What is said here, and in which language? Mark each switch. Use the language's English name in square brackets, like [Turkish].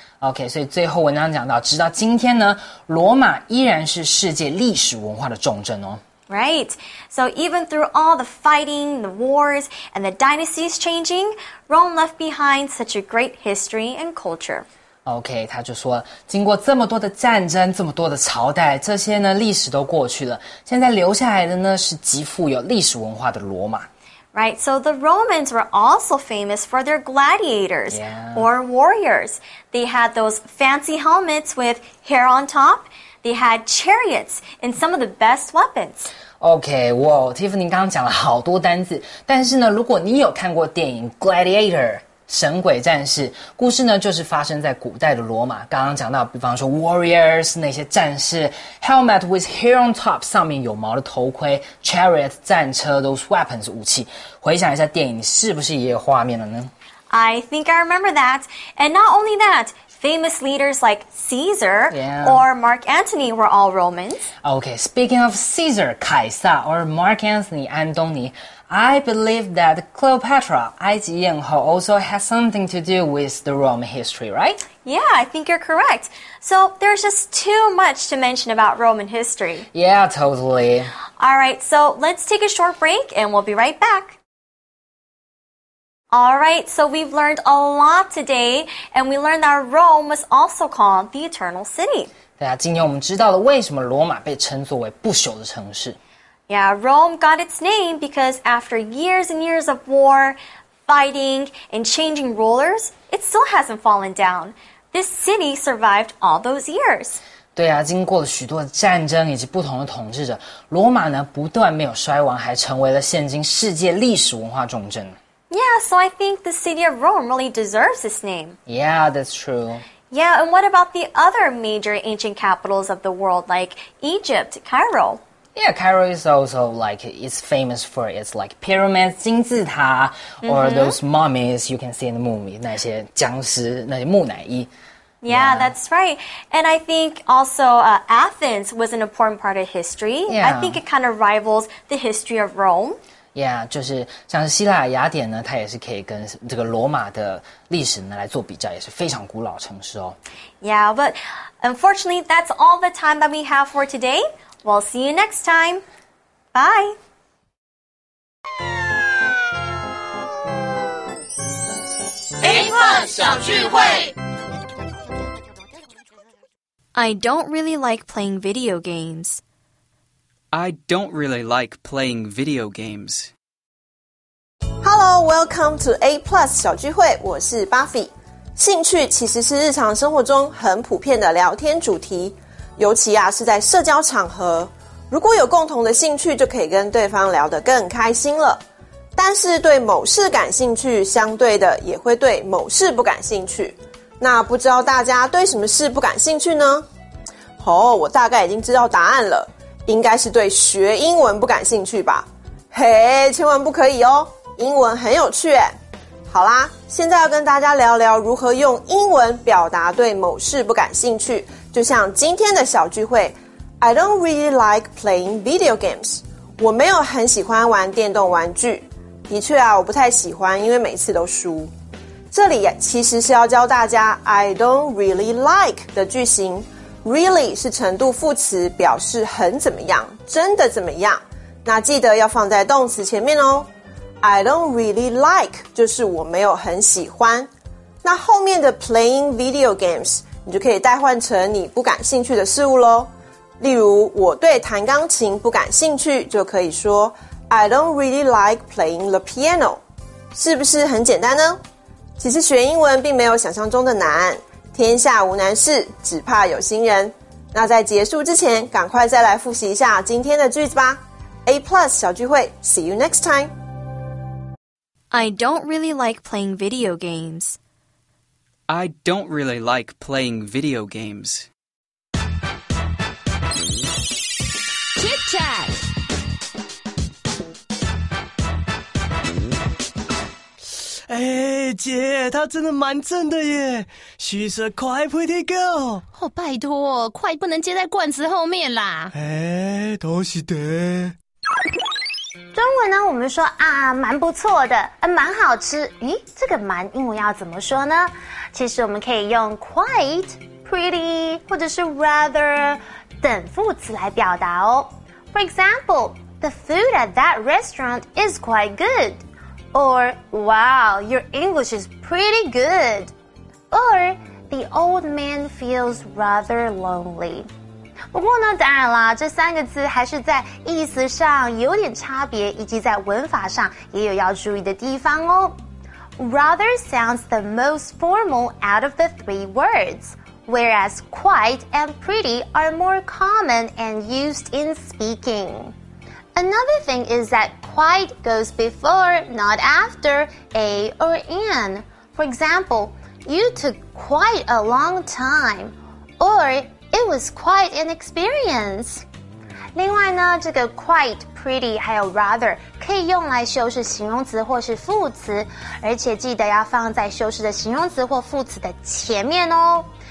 [Chinese] Okay, 所以最后文章讲到，直到今天呢，罗马依然是世界历史文化的重镇哦。 [English] Right. So even through all the fighting, the wars, and the dynasties changing, Rome left behind such a great history and culture. [Chinese] Okay, 他就说经过这么多的战争，这么多的朝代，这些呢历史都过去了，现在留下来的呢是极富有历史文化的罗马。 [English] Right, so the Romans were also famous for their gladiators, yeah. or warriors. They had those fancy helmets with hair on top. They had chariots and some of the best weapons. [Chinese] Okay, well, Tiffany 刚刚讲了好多单字，但是呢，如果你有看过电影《Gladiator》神鬼战士，故事呢就是发生在古代的罗马。刚刚讲到，比方说 [English] warriors [Chinese] 那些战士 ， [English] helmet with hair on top [Chinese] 上面有毛的头盔 ， [English] chariot [Chinese] 战车 [English] those weapons [Chinese] 武器。回想一下电影，是不是也有画面了呢 [English] ？I think I remember that, and not only that. Famous leaders like Caesar yeah. or Mark Antony were all Romans. Okay, speaking of Caesar, 凯撒 or Mark Antony, 安东尼, I believe that Cleopatra, 埃及艳后, also has something to do with the Roman history, right? Yeah, I think you're correct. So there's just too much to mention about Roman history. Yeah, totally. All right, so let's take a short break and we'll be right back. Alright, so we've learned a lot today, and we learned that Rome was also called the Eternal City. [Chinese] 对啊，今天我们知道了为什么罗马被称作为不朽的城市。 [English] Yeah, Rome got its name because after years and years of war, fighting, and changing rulers, it still hasn't fallen down. This city survived all those years. [Chinese] 对啊，经过了许多战争以及不同的统治者，罗马呢不断没有衰亡，还成为了现今世界历史文化重镇。 [English] Yeah, so I think the city of Rome really deserves this name. Yeah, that's true. Yeah, and what about the other major ancient capitals of the world, like Egypt, Cairo? Yeah, Cairo is also like, it's famous for its like pyramids, [Chinese] 金字塔 [English] or those mummies you can see in the movie, [Chinese] 那些僵尸那些木乃伊 [English] Yeah, that's right. And I think also Athens was an important part of history. Yeah. I think it kind of rivals the history of Rome. [Chinese] Yeah, 就是像是希腊雅典呢，它也是可以跟这个罗马的历史呢来做比较，也是非常古老城市哦。 [English] Yeah, but unfortunately, that's all the time that we have for today. We'll see you next time. Bye. I don't really like playing video games. I don't really like playing video games. Hello, welcome to A Plus 小聚会， [Chinese] 我是 [English] Buffy。 [Chinese] 兴趣其实是日常生活中很普遍的聊天主题，尤其啊是在社交场合，如果有共同的兴趣就可以跟对方聊得更开心了。但是对某事感兴趣，相对的也会对某事不感兴趣。那不知道大家对什么事不感兴趣呢？哦，我大概已经知道答案了，应该是对学英文不感兴趣吧。嘿，千万不可以哦，英文很有趣耶。好啦，现在要跟大家聊聊如何用英文表达对某事不感兴趣，就像今天的小聚会。 [English] I don't really like playing video games. [Chinese] 我没有很喜欢玩电动玩具。的确啊，我不太喜欢，因为每次都输。这里其实是要教大家 [English] I don't really like [Chinese] 的句型。 Really 是程度副词，表示很怎么样，真的怎么样。那记得要放在动词前面哦。 [English] I don't really like [Chinese] 就是我没有很喜欢。那后面的 [English] playing video games [Chinese] 你就可以代换成你不感兴趣的事物咯。例如我对弹钢琴不感兴趣，就可以说 [English] I don't really like playing the piano. [Chinese] 是不是很简单呢？其实学英文并没有想象中的难，天下无难事，只怕有心人。那在结束之前，赶快再来复习一下今天的句子吧。 [English] A Plus 小聚会， See you next time. I don't really like playing video games. I don't really like playing video games. [Chinese] 哎，姐，她真的蛮正的耶。 [English] She's a quite pretty girl. [Chinese] 哦，拜托，快不能接在罐子后面啦。哎，都是的。中文呢，我们说啊，蛮不错的，蛮好吃。咦，这个蛮英文要怎么说呢？其实我们可以用 quite pretty 或者是 rather 等副词来表达哦。 [English] For example, the food at that restaurant is quite good. Or, wow, your English is pretty good. Or, the old man feels rather lonely. [Chinese] 不过呢，当然啦，这三个字还是在意思上有点差别，以及在文法上也有要注意的地方哦。 [English] Rather sounds the most formal out of the three words, whereas quite and pretty are more common and used in speaking. Another thing is that quite goes before, not after, a or an. For example, you took quite a long time, or it was quite an experience. [Chinese] 另外呢，这个 quite, pretty, 还有 rather, 可以用来修饰形容词或是副词，而且记得要放在修饰的形容词或副词的前面哦。